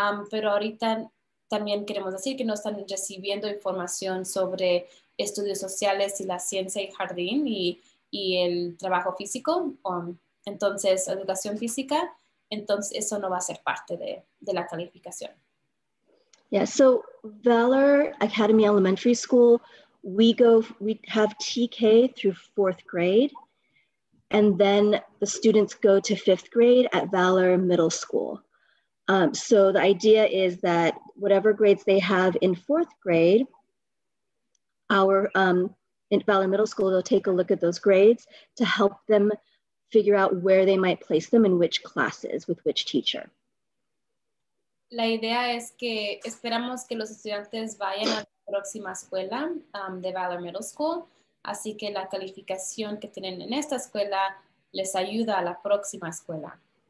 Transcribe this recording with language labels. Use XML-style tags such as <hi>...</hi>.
<es>Pero ahorita también queremos decir que no están recibiendo información sobre estudios sociales y la ciencia y jardín y el trabajo físico, entonces educación física. Entonces, eso no va a ser parte de la calificación.</es> <en>Yeah, so Valor Academy Elementary School, we have TK through fourth grade, and then the students go to fifth grade at Valor Middle School. So the idea is that whatever grades they have in fourth grade, in Valor Middle School, they'll take a look at those grades to help them figure out where they might place them in which classes with which teacher.</en> <es>La idea es que esperamos que los estudiantes vayan a la próxima escuela de Valor Middle School, así que la calificación que tienen en esta escuela les ayuda a la próxima escuela.</es>